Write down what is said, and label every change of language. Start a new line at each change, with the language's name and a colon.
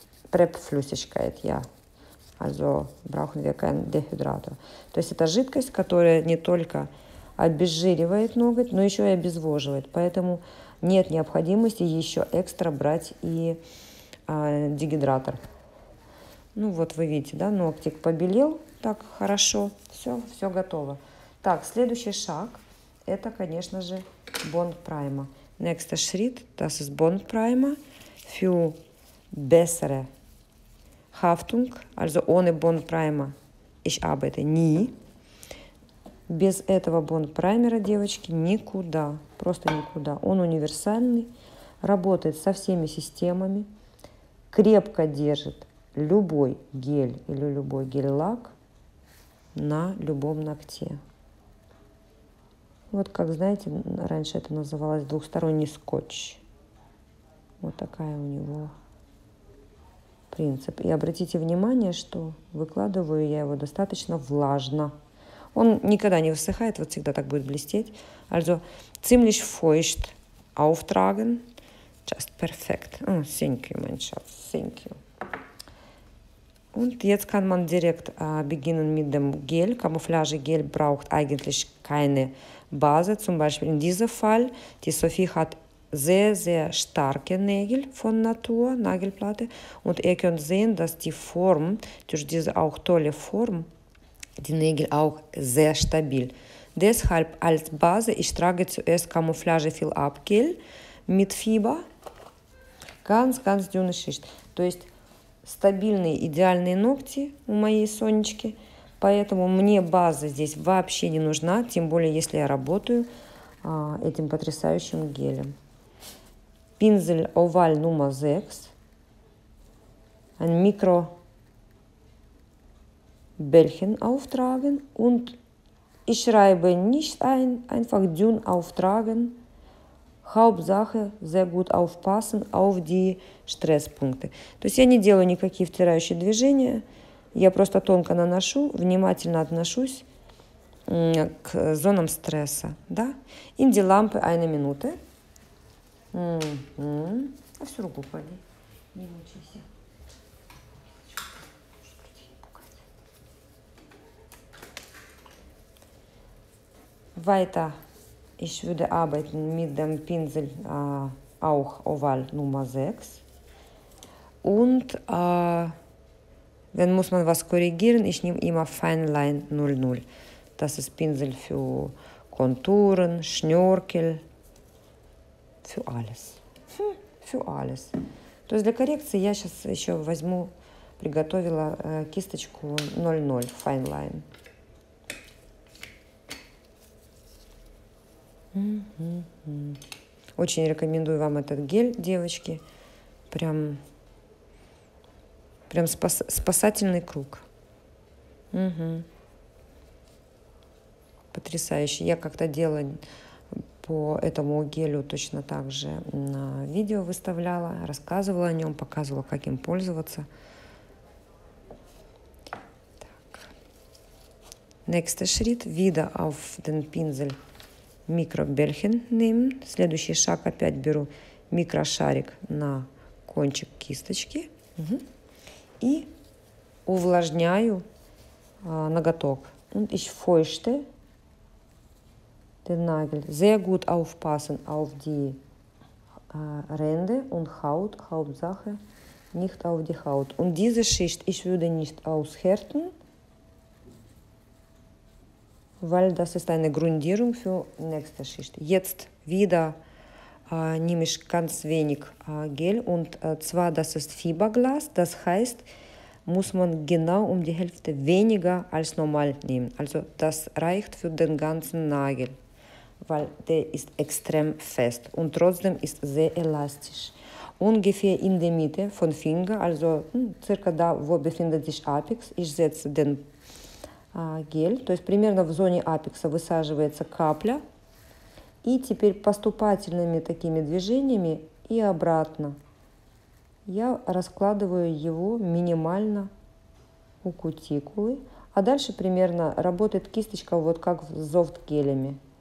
German: Prep-Flüssigkeit, ja. Also brauchen wir keinen Dehydrator.
Russian: То есть это жидкость, которая не только обезжиривает ноготь, но еще и обезвоживает. Поэтому нет необходимости еще экстра брать и дегидратор. Ну вот вы видите, да, ногтик побелел так хорошо. Все готово. Так, следующий шаг, это, конечно же, Bond Primer.
German: Nächster Schritt, das ist Bond Primer für bessere Haftung. Also ohne Bond Primer ich arbeite nie.
Russian: Без этого Bond Primer, девочки, никуда. Просто никуда. Он универсальный, работает со всеми системами, крепко держит любой гель или любой гель-лак на любом ногте. Вот как, знаете, раньше это называлось двухсторонний скотч. Вот такая у него принцип. И обратите внимание, что выкладываю я его достаточно влажно. Он никогда не высыхает, вот всегда так будет блестеть.
German: Also, ziemlich feucht auftragen.
English: Just perfect.
German: Oh,
English: thank you,
German: mein Schatz.
English: Thank you.
German: Und jetzt kann man direkt beginnen mit dem Gel. Camouflage-Gel braucht eigentlich keine Base. Zum Beispiel in diesem Fall. Die Sophie hat sehr, sehr starke Nägel von Natur, Nagelplatte. Und ihr könnt sehen, dass die Form, durch diese auch tolle Form, die Nägel auch sehr stabil. Deshalb als Base, ich trage zuerst Camouflage-Fill-Up-Gel mit Fieber. Ganz, ganz dünne Schicht.
Russian: То есть стабильные, идеальные ногти у моей Сонечки. Поэтому мне база здесь вообще не нужна. Тем более, если я работаю этим потрясающим гелем.
German: Пинзель Oval Nummer 6. Ein Mikro Bällchen auftragen. Und ich schreibe nicht ein, einfach dünn auftragen. Hauptsache, sehr gut aufpassen auf die Stresspunkte.
Russian: То есть я не делаю никакие втирающие движения. Я просто тонко наношу, внимательно отношусь к зонам стресса. Да?
German: In die Lampe eine Minute.
Russian: А всю руку поди. Не мучайся.
German: Weiter. Ich würde arbeiten mit dem Pinsel auch Oval Nummer 6. Und wenn muss man was korrigieren, ich nehme immer Feinline 00. Das ist Pinsel für Konturen, Schnörkel, für alles. Für alles.
Russian: То есть для коррекции я сейчас еще возьму, приготовила кисточку 00 Feinline. Очень рекомендую вам этот гель, девочки. Прям спасательный круг. Потрясающе. Я как-то делала по этому гелю точно так же на видео выставляла, рассказывала о нем, показывала, как им пользоваться. Так.
German: Nächster Schritt, wieder auf den Pinsel. Микробельхен nehmen.
Russian: Следующий шаг опять беру микрошарик на кончик кисточки. И увлажняю ноготок.
German: Und ich feuchte den Nagel sehr gut aufpassen auf die Ränder und Haut. Hauptsache nicht auf die Haut. Und diese Schicht ich würde nicht aushärten. Weil das ist eine Grundierung für nächste Schicht. Jetzt wieder nehme ich ganz wenig Gel. Und zwar, das ist Fiberglas. Das heißt, muss man genau um die Hälfte weniger als normal nehmen. Also das reicht für den ganzen Nagel. Weil der ist extrem fest. Und trotzdem ist sehr elastisch. Ungefähr in der Mitte von Finger. Also circa da, wo befindet sich Apex. Ich setze den
Russian: гель, то есть примерно в зоне апекса высаживается капля, и теперь поступательными такими движениями и обратно я раскладываю его минимально у кутикулы, а дальше примерно работает кисточка вот как с зофтгелями.